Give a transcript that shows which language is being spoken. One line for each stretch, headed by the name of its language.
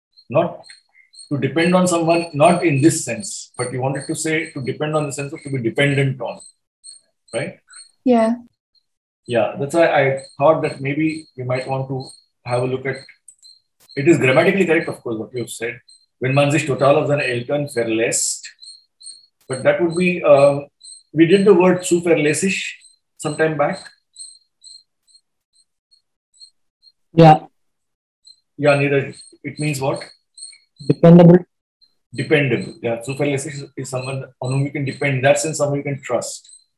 English: Not to depend on someone, not in this sense, but you wanted to say to depend on the sense of to be dependent on, right? Yeah. Yeah, that's why I thought that maybe you might want to have a look at it. Is grammatically correct, of course, what you have said.
German: Wenn man sich total auf seine Eltern verlässt.
English: But that would be, we did the word zu verlässig sometime back. Yeah. Yeah, Neeraj, It means what? Dependable. Dependable. Yeah. Zuverlässig is someone on whom you can depend. That's in someone you can trust.